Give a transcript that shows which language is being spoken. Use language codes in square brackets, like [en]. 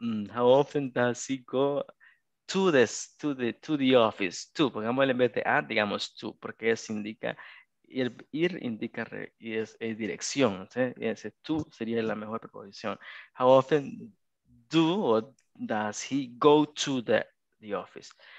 [en] How often does he go to this, to the office? [es] To, pongámosle en vez de a, digamos to, porque eso indica ir, ir indica re, y es dirección. ¿Sí? Ese to sería la mejor preposición. [en] How often do or does he go to the office?